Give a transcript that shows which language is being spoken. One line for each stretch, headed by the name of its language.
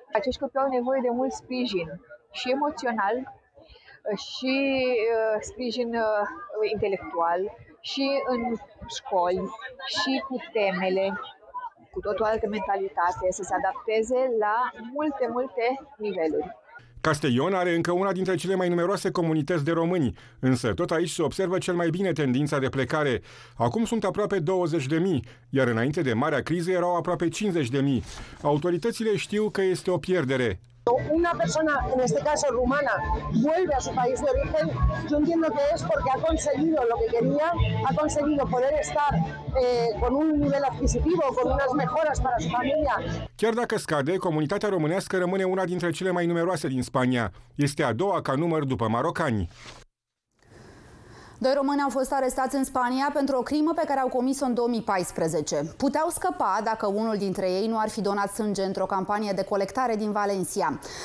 Romanian: Acești copii au nevoie de mult sprijin și emoțional și sprijin intelectual și în școli și cu temele, cu tot o altă mentalitate, să se adapteze la multe, multe niveluri. Castellón are încă una dintre cele mai numeroase comunități de români, însă tot aici se observă cel mai bine tendința de plecare. Acum sunt aproape 20.000, iar înainte de marea criză erau aproape 50.000. Autoritățile știu că este o pierdere.
Spanish: Una persona, en este caso rumana, vuelve a su país de origen. Yo entiendo que es porque ha conseguido lo que quería, ha conseguido poder estar con un nivel adquisitivo, con unas mejoras para su familia.
Romanian: Chiar dacă scade, comunitatea românească rămâne una dintre cele mai numeroase din Spania. Este a doua ca număr după marocani. Doi români au fost arestați în Spania pentru o crimă pe care au comis-o în 2014. Puteau scăpa dacă unul dintre ei nu ar fi donat sânge într-o campanie de colectare din Valencia.